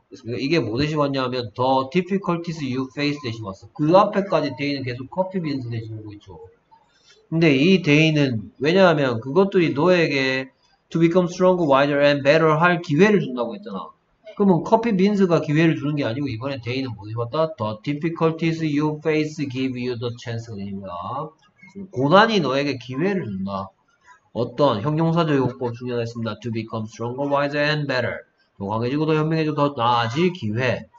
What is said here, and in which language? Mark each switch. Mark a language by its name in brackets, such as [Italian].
[Korean] 그래서 이게 뭐 대신 왔냐면 [English] the difficulties you face [Korean] 대신 왔어. 그 앞에까지 대인은 계속 커피 빈스 대신 오고 있죠. 근데 이 대인은 왜냐하면 그것들이 너에게 [English] to become stronger, wiser, and better [Korean] 할 기회를 준다고 했잖아. 그러면 커피 빈스가 기회를 주는 게 아니고 이번에 대인은 뭐지 봤다? [English] The difficulties you face give you the chance. [Korean] 고난이 너에게 기회를 준다. 어떤 형용사적 용법 중요하다 했습니다. [English] To become stronger, wiser, and better. [Korean] 더 강해지고 더 현명해지고 더 나아질 기회.